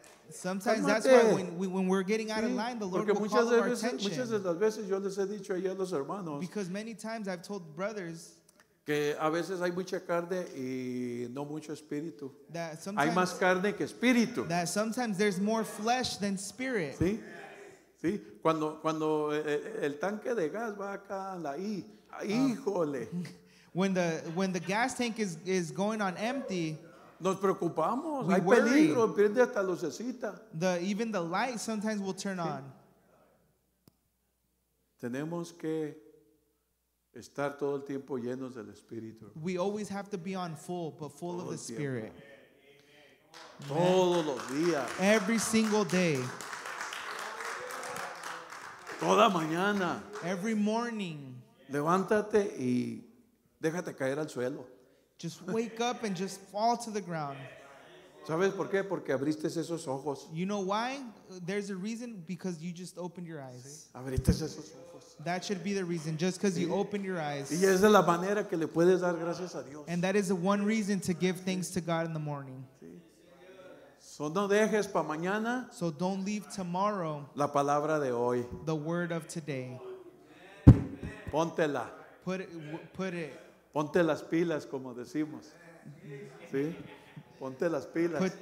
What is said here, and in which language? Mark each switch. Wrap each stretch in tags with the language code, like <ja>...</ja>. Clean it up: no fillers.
<en>Sometimes that's why when we're getting out of line, the Lord will call our attention.</en> <es>Muchas de las veces yo les he dicho ahí a los hermanos.</es> <en>Because many times I've told brothers.</en> <es>Que a veces hay mucha carne y no mucho espíritu.</es> <en>That sometimes,</en> <es>hay más carne que espíritu.</es> <en>That sometimes there's more flesh than spirit.</en> <es>Sí. Sí, cuando el tanque de gas va acá en la I, híjole.</es> <en>When the gas tank is going on empty,</en> <es>nos preocupamos, hay peligro, prende hasta lucecita.</es> <en>Even the light sometimes will turn on.</en> <es>Tenemos que estar todo el tiempo llenos del Espíritu.</es> <en>We always have to be on full, but full</en> <es>todo</es> <en>of the Spirit.</en> <es>Todos los días.</es> <en>Every single day.</en> <es>Toda mañana.</es> <en>Every morning.</en> <es>Levántate y déjate caer al suelo.</es> <en>Just wake up and just fall to the ground.</en> <es>¿Sabes por qué? Porque abriste esos ojos.</es> <en>You know why? There's a reason, because you just opened your eyes.</en> <es>Abriste esos ojos.</es> <en>That should be the reason, just because you opened your eyes.</en> <es>Y esa es la manera que le puedes dar gracias a Dios.</es> <en>And that is the one reason to give thanks to God in the morning.</en> <es>So, no dejes pa mañana,</es> <en>so don't leave tomorrow</en> <es>la palabra de hoy.</es> <en>The word of today.</en> <es>Póntela.</es> <en>Put it.</en> <es>Ponte las pilas, como decimos. ¿Sí? Ponte las pilas.</es>